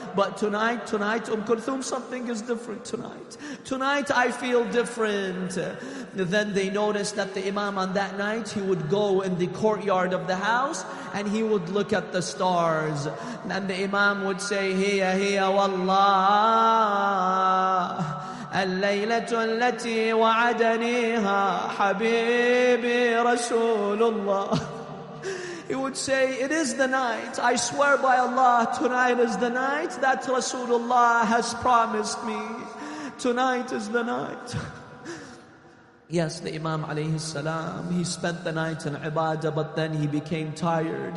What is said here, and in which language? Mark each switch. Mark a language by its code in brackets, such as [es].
[en] But tonight, Kulthum, something is different tonight. Tonight I feel different. Then they noticed that the Imam on that night, he would go in the courtyard of the house and he would look at the stars. And the Imam would say, Hiya, hiya, wallah. [ar] الليلة التي وعدنيها حبيبي رسول الله. [en] He would say, it is the night. I swear by Allah, tonight is the night that Rasulullah has promised me. Tonight is the night. Yes, the Imam alayhi salam, he spent the night in ibadah, but then he became tired.